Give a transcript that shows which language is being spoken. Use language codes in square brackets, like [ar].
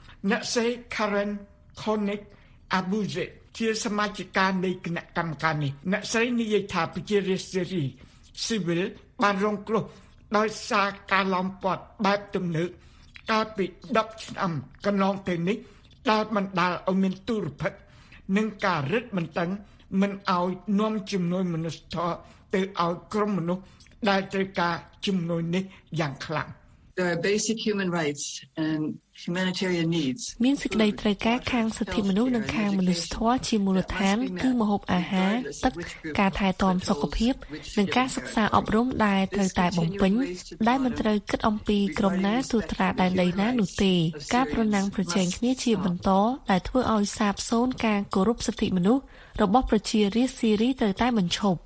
[km] អ្នកសេ Karen Connick Abuje ជាសមាជិកនៃគណៈកម្មការនេះអ្នកស្រីនិយាយថាប្រជារាស្ត្រស៊ីវិលបានរងគ្រោះដោយសារការឡោមព័ទ្ធបែបទំនើបកាលពី10ឆ្នាំកន្លងទៅនេះដែលបណ្ដាលឲ្យមានទុរភិក្សនិងការរឹតបន្តឹងមិនអោយនាំជំនួយមនុស្សធម៌ទៅអោយក្រុមមនុស្សដែលត្រូវការជំនួយនេះយ៉ាងខ្លាំង [en] The basic human rights and humanitarian needs [km] មានសេចក្តីត្រូវការខាងសិទ្ធិមនុស្សនិងខាងមនុស្សធម៌ជាមូលដ្ឋានគឺម្ហូបអាហារទឹកការថែទាំសុខភាពនិងការសិក្សាអប់រំដែលត្រូវតែបំពេញដែលមិនត្រូវគិតអំពីក្រុមណាទូត្រាដែលណីណានោះទេការប្រណាំងប្រជែងគ្នាជាបន្តដែលធ្វើឲ្យសាបសូន្យការគោរពសិទ្ធិមនុស្សរបស់ប្រជារាស្ត្រសេរីត្រូវតែបញ្ឈប